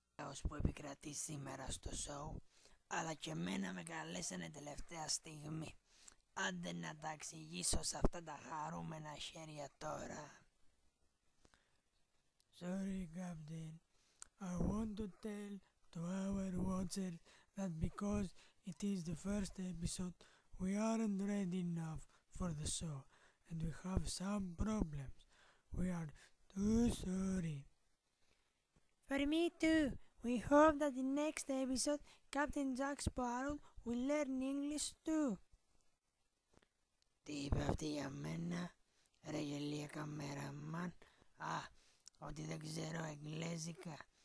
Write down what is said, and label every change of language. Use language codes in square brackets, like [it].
[el] Όσο που επικρατεί σήμερα στο show, αλλά και εμένα με καλέσανε τελευταία στιγμή. Άντε να τα εξηγήσω σε αυτά τα χαρούμενα χέρια τώρα. [en] Sorry, Captain. I want to tell to our watchers that because it is the first episode, we aren't ready enough for the show. and we have some problems. We are too sorry. For me too. We hope that the next episode, Captain Jack Sparrow will learn English too. [el] Τι είπε αυτή για μένα, ρε γελία καμεραμάν. Α, ότι δεν ξέρω εγγλέζικα.